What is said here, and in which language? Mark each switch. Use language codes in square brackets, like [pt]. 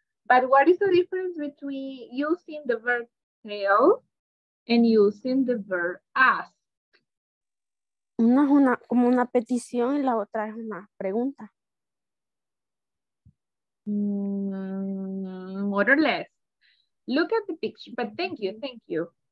[en] But what is the difference between using the verb tell and using the verb ask? [es] Una es una, como una petición y la otra es una pregunta. [en] More or less. Look at the picture, but thank you, thank you.